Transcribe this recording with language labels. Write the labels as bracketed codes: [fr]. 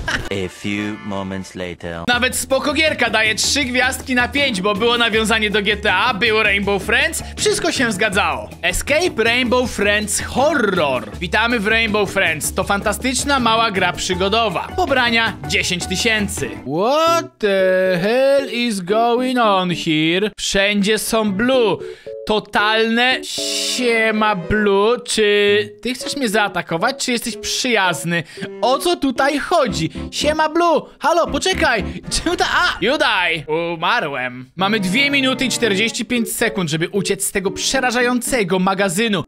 [en] A few moments later. [pl] Nawet spoko gierka daje 3 gwiazdki na 5, bo było nawiązanie do GTA, było Rainbow Friends, wszystko się zgadzało. Escape Rainbow Friends Horror. Witamy w Rainbow Friends, to fantastyczna mała gra przygodowa. Pobrania 10 tysięcy. [en] What the hell is going on here? [pl] Wszędzie są Blue. Totalne siema Blue, czy ty chcesz mnie zaatakować, czy jesteś przyjazny? O co tutaj chodzi? Siema Blue, halo, poczekaj, czemu ta... [en] A, you die. [pl] Umarłem. Mamy 2 minuty i 45 sekund, żeby uciec z tego przerażającego magazynu.